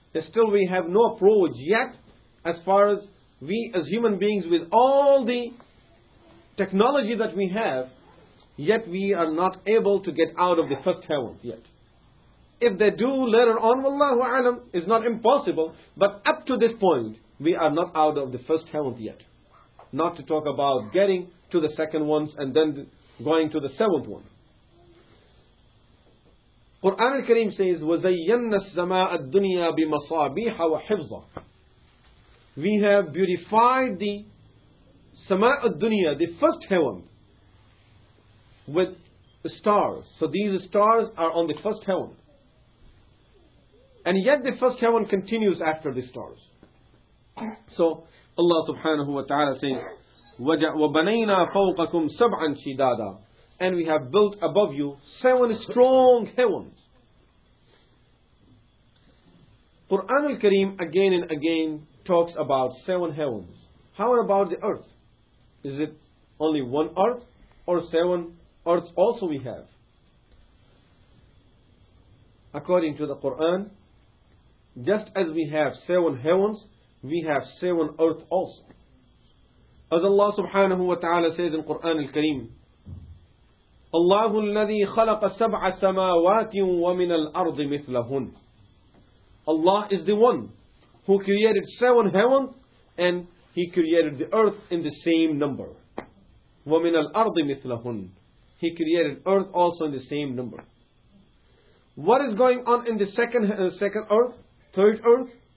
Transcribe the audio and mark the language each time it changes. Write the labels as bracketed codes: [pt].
[en] Still, we have no approach yet, as far as we as human beings, with all the technology that we have, yet we are not able to get out of the first heaven yet. If they do later on, wallahu alam, is not impossible, but up to this point, we are not out of the first heaven yet. Not to talk about getting to the second ones and then going to the seventh one. Quran al-Kareem says, [ar] وَزَيَّنَّا السَّمَاءَ الدُّنْيَا بِمَصَابِيحَ وَحِفْظَةً. [en] We have beautified the [ar] سَمَاءَ الدُّنْيَا, [en] the first heaven, with stars. So these stars are on the first heaven. And yet the first heaven continues after the stars. So Allah subhanahu wa ta'ala says, [ar] وَبَنَيْنَا فَوْقَكُمْ سَبْعًا شِدَادًا. [en] And we have built above you seven strong heavens. Quran al-Kareem again and again talks about seven heavens. How about the earth? Is it only one earth or seven earths also we have? According to the Quran, just as we have seven heavens, we have seven earths also. As Allah subhanahu wa ta'ala says in Quran al-Kareem, [ar] Allah الذي خلق سبع سماوات ومن الأرض مثلهن. [en] Allah is the one who created seven heavens and He created the earth in the same number. [ar] ومن الأرض مثلهن. [en] He created earth also in the same number. What is going on in the second earth, third earth?